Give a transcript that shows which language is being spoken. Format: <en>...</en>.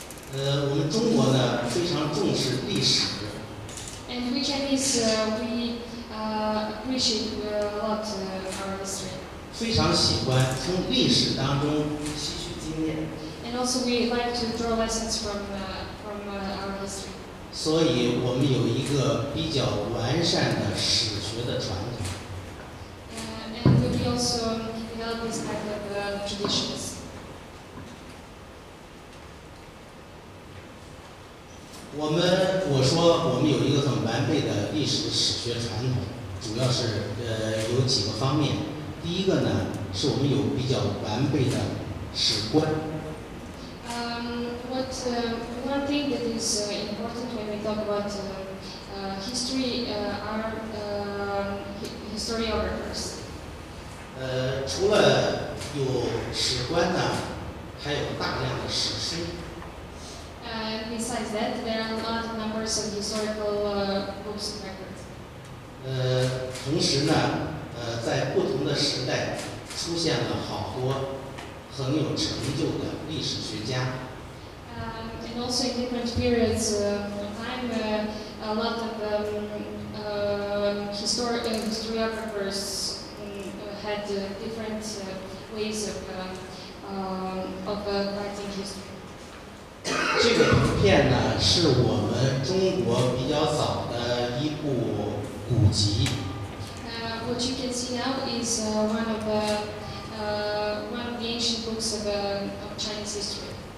<zh>我们中国呢非常重视历史。</zh> <en>And we Chinese we appreciate a lot our history.</en> <zh>非常喜欢从历史当中吸取经验。</zh> <en>And also we like to draw lessons from our history.</en> <zh>所以我们有一个比较完善的史学的传统。</zh> <en>And we also develop this type of traditions.</en> <zh>我说我们有一个很完备的历史史学传统，主要是有几个方面。第一个呢，是我们有比较完备的史观。</zh> <en>One thing that is important when we talk about history are historiographers.</en> <zh>除了有史观呢，还有大量的史书。</zh> <en>Besides that, there are a lot of numbers of historical books and records.</en> <zh>同时呢，在不同的时代出现了好多很有成就的历史学家。</zh> <en>And also in different periods of time, a lot of historiographers had different ways of writing history.</en> <zh>这个图片呢，是我们中国比较早的一部古籍。</zh> <en>What you can see now is one of the ancient books of Chinese history.</en>